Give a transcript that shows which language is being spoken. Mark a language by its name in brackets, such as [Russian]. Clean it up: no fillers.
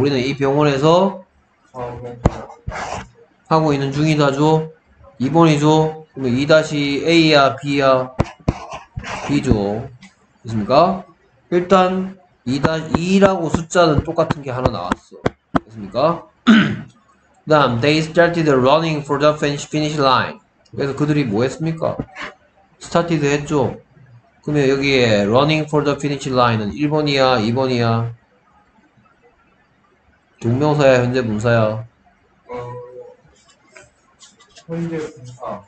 [Korean] 우리는 이 병원에서 하고 있는 중이다죠. 2번이죠. 그럼 2-A야, B야, B죠. 됐습니까? 일단 2-2라고 숫자는 똑같은 게 하나 나왔어. 됐습니까? 다음, [English] they started running for the finish line. [Korean] 그래서 그들이 뭐 했습니까? started 했죠. 그러면 여기에 running for the finish line은 1번이야, 2번이야? 동명사야, 현재 분사야? 현재 분사.